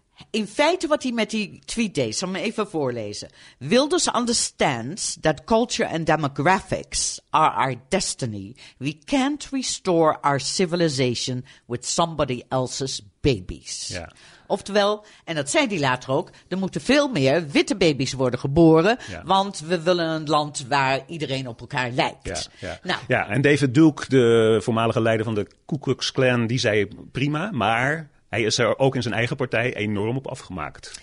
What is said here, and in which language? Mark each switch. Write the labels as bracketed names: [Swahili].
[Dutch] In feite wat hij met die tweet deed, zal ik hem even voorlezen. [English] Wilders understands that culture and demographics are our destiny. We can't restore our civilization with somebody else's babies. Yeah. [Dutch] Oftewel, en dat zei hij later ook, er moeten veel meer witte baby's worden geboren. Ja. Want we willen een land waar iedereen op elkaar lijkt. Ja, ja. Nou. Ja, en David Duke, de voormalige leider van de Ku Klux Klan, die zei prima, maar hij is er ook in zijn eigen partij enorm op afgemaakt.